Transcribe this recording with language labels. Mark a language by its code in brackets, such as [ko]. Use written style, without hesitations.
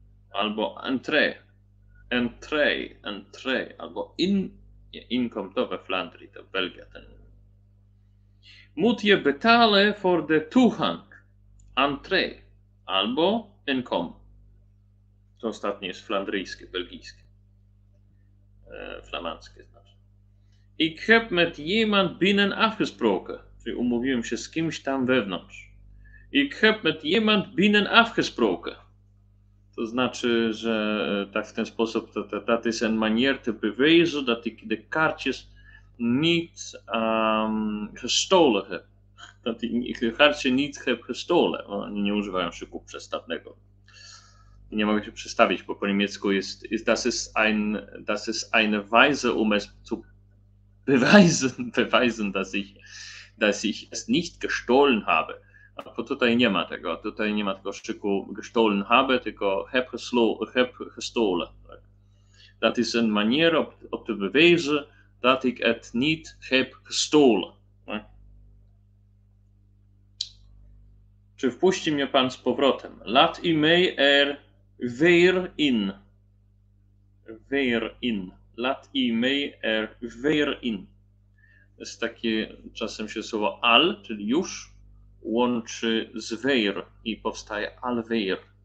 [pl] Albo entree, albo inkom, to we Flandrii, to Belgia ten. [nl] Moet je betalen voor de toegang, entree, albo inkom. [pl] To ostatnie jest flandryjskie, belgijskie, flamandzkie znaczy. [nl] Ik heb met iemand binnen afgesproken, [pl] czyli umówiłem się z kimś tam wewnątrz. [nl] Ik heb met iemand binnen afgesproken. [pl] To znaczy, że tak w ten sposób to [nl] dat is een manier te bewijzen dat ik de kaartjes niet gestolen heb. Dat ik de kaartje niet heb gestolen. [pl] Oni nie używają szyku przestawnego. Nie mogę się przestawić, bo po niemiecku jest [de] das ist eine Weise, um es zu beweisen, dass ich es nicht gestolen habe. [pl] Bo tutaj nie ma tego, szyku [de] gestolen habe, [pl] tylko [nl] heb gestolen. Dat is een manier op te bewijzen dat ik het niet heb gestolen. [pl] Czy wpuści mnie pan z powrotem? [nl] Laat i mij er weer in. Weer in. Laat i mij er weer in. [pl] Jest takie, czasem się słowo al, czyli już, łączy z weir i powstaje alweir,